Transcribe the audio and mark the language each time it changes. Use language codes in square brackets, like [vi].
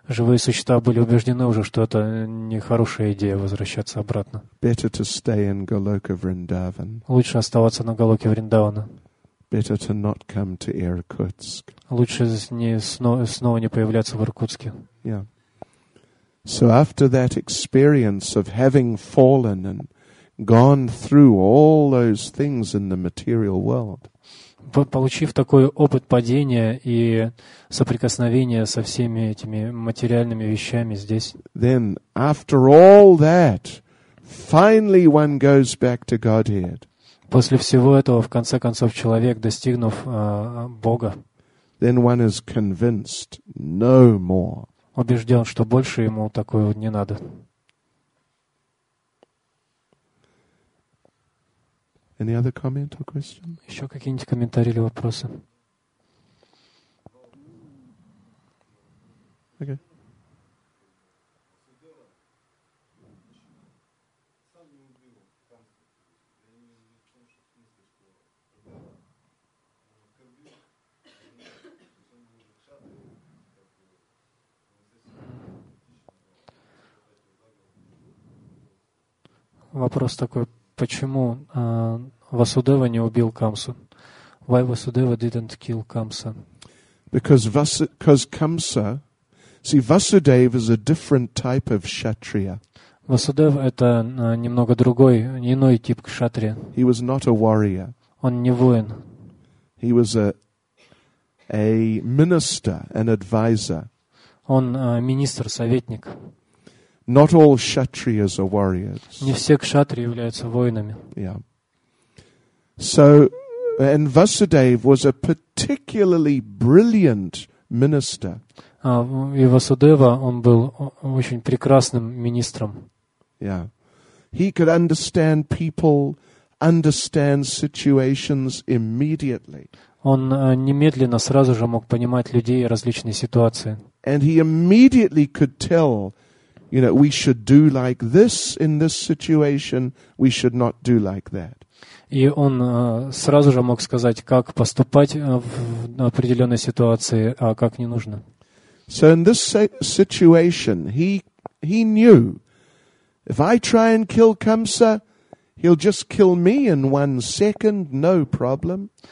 [ru] Живые существа были убеждены уже, что это не хорошая идея возвращаться обратно. [en] Better to stay in Goloka Vrindavan. [ru] Лучше оставаться на Голоке Вриндавана. [en] Better to not come to Irkutsk. [ru] Лучше снова не появляться в Иркутске. [en] Yeah. So after that experience of having fallen and gone through all those things in the material world, [ru] получив такой опыт падения и соприкосновения со всеми этими материальными вещами здесь, [en] then after all that, finally one goes back to Godhead. [ru] После всего этого, в конце концов, человек, достигнув Бога, [en] then one is convinced no more. [ru] Убежден, что больше ему такого не надо. [en] Any other comment or question? [ru] Еще какие-нибудь комментарии или вопросы? [en] Okay. [ru] Вопрос такой, почему Васудева не убил Камсу? [en] Why Vasudeva didn't kill Kamsa? Because Kamsa, see, Vasudeva is a different type of kshatriya. [ru] Васудев — это немного другой, иной тип кшатрия. [en] He was not a warrior. [ru] Он не воин. [en] He was a minister, an advisor. [ru] Он министр, советник. [en] Not all kshatriyas are warriors. [ru] Не все кшатри являются воинами. [en] Yeah. So, and Vasudev was a particularly brilliant minister. [ru] И Васудева, он был очень прекрасным министром. [en] Yeah. He could understand people, understand situations immediately. [ru] Он немедленно сразу же мог понимать людей и различные ситуации. [en] And he immediately could tell, you know, we should do like this in this situation, we should not do like that. [ru] И он сразу же мог сказать, как поступать в определенной ситуации, а как не нужно. [en] So in this situation, he knew, if I try and kill Kamsa, he'll just kill me in one second, no problem.